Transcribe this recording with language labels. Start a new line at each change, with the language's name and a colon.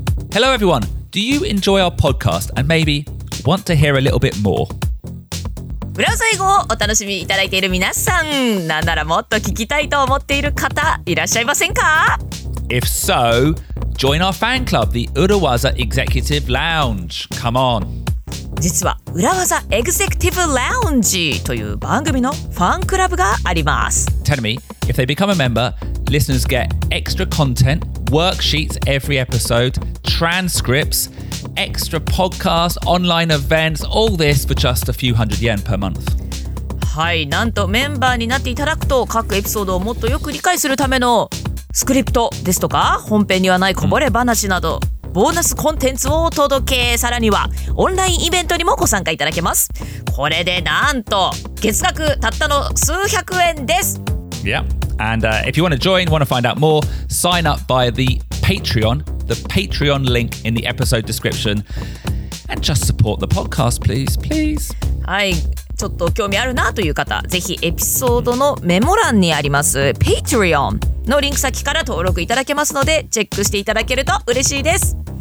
English: Hello everyone, do you enjoy our podcast and maybe want to hear a little bit more?
Japanese: ブラウザ英語をお楽しみいただいている皆さん、なんならもっと聞きたいと思っている方いらっしゃいませんか？
English: If so, join our fan club, the Urawaza Executive Lounge. Come on.
Japanese: 実は Urawaza Executive Lounge という番組のファンクラブがあります。
English: Tell me, if they become a member, listeners get extra content, worksheets every episode,transcripts, extra podcasts, online events, all this for just a few hundred yen per month.
Japanese: はい、なんとメンバーになっていただくと各エピソードをもっとよく理解するためのスクリプトですとか、本編にはないこぼれ話など、ボーナスコンテンツをお届け、さらにはオンラインイベントにもご参加いただけます。これでなんと月額たったの数百円です。
English: Yeah, and if you want to join, want to find out more, sign up by the Patreon. The Patreon link in the episode description, and just support the podcast, please, please.
Japanese: はい、ちょっと興味あるなという方、ぜひエピソードのメモ欄にあります Patreon のリンク先から登録いただけますので、チェックしていただけると嬉しいです。